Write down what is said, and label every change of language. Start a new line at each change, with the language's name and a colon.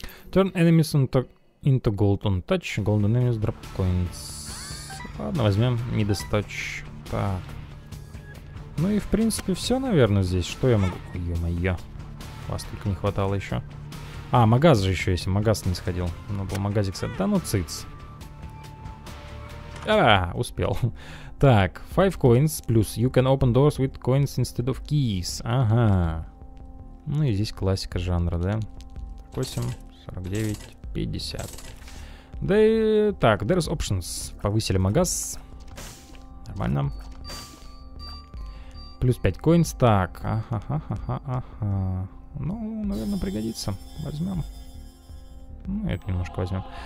English: Turn enemies into gold on touch. Golden enemies drop coins.
Russian: Ладно, возьмем Midas touch. Так. Ну и, в принципе, все, наверное, здесь. Что я могу... Ё-моё. Вас только не хватало еще. А, магаз же еще есть. Магаз не сходил. Ну, был магазик. Да ну, циц. А, успел. Так,
English: 5 coins
Russian: плюс
English: you can open doors with coins instead of keys.
Russian: Ага. Ну и здесь классика жанра, да? 8, 49, 50. Да и так,
English: there's options.
Russian: Повысили магаз. Нормально. Плюс 5 coins, так. Ага. Ну, наверное, пригодится. Возьмем. Ну, это немножко возьмем.